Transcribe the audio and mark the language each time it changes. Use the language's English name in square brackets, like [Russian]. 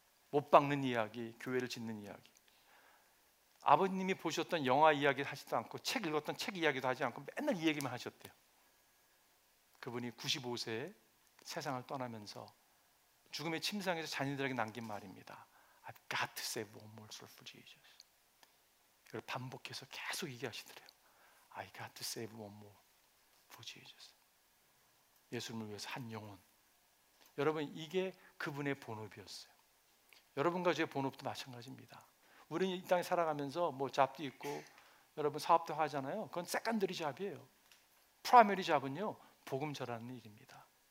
[Korean] 못 박는 이야기, 교회를 짓는 이야기. 아버님이 보셨던 영화 이야기 하지도 않고 책 읽었던 책 이야기도 하지 않고 맨날 이 얘기만 하셨대요. 그분이 95세에 세상을 떠나면서 죽음의 침상에서 자녀들에게 남긴 말입니다. [English] I've got to say one more soul for Jesus. [Korean] 이걸 반복해서 계속 얘기하시더래요. [English] I got to save one more for Jesus. [Korean] 예수님을 위해서 한 영혼. 여러분 이게 그분의 본업이었어요. 여러분과 저의 본업도 마찬가지입니다. 우리는 이 땅에 살아가면서 뭐 잡도 있고 여러분 사업도 하잖아요. 그건 세컨더리 잡이에요. 프라이머리 잡은요 복음 전하는 일입니다.